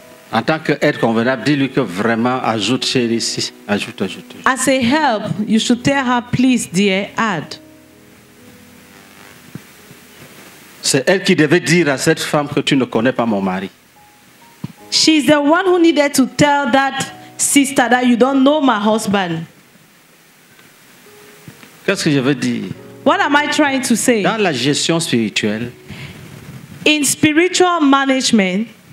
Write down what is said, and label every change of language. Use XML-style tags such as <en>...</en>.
<fr>En tant qu'aide convenable, dis-lui que vraiment, ajoute chérie ici. Ajoute.</fr> <en>As a help, you should tell her, please, dear, add.</en> <fr>C'est elle qui devait dire à cette femme que tu ne connais pas mon mari.</fr> <en>She's the one who needed to tell that sister that you don't know my husband.</en> <fr>Qu'est-ce que je veux dire?</fr> <en>What am I trying to say?</en> <fr>Dans la gestion spirituelle,</fr> <en>in spiritual management,</en>